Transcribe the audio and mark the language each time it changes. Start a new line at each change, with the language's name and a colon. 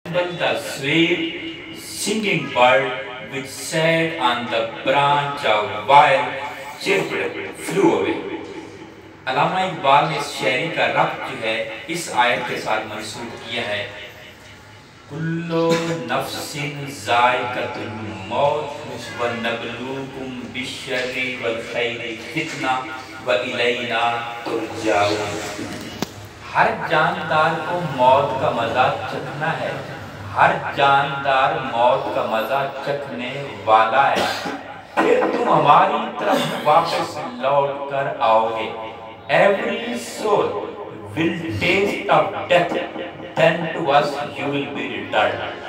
English: resemble the sweet singing bird which sat on the branch of wild cherry flew away.
Urdu: علامہ اقبال نے اس شاعری کا ربط جو ہے اس آیت کے ساتھ منسوخ کیا ہے.
Arabic: کلو نفس ذائقت الموت ونبلوکم بالشر والخیر فتنہ والینا ترجعون.
Urdu: ہر جاندار کو موت کا مزہ چکھنا ہے, ہر جاندار موت کا مزہ چکھنے والا ہے, پھر تم ہماری طرف واپس لوٹ کر آؤ گے.
English: Every soul will taste of death, then to us you will be returned.